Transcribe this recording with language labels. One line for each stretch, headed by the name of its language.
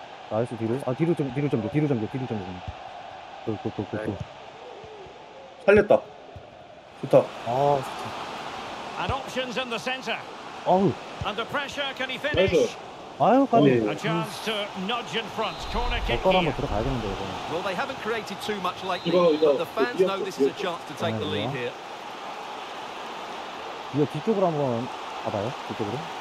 Korean: 나이스 뒤로 아 뒤로 좀 뒤로 좀 더 뒤로 좀 더 뒤로 좀 더 또 살렸다 좋다 아 진짜
English: and options in the center
Korean: 어우
English: under pressure can he finish
Korean: 아유 까비
English: a chance to nudge in front corner kick
Korean: 어떤 한번 들어가야겠는데 이거
English: well they haven't created too much lately but the fans know this is a chance to take the lead here
Korean: 이거 뒤쪽으로 한번 가봐요 뒤쪽으로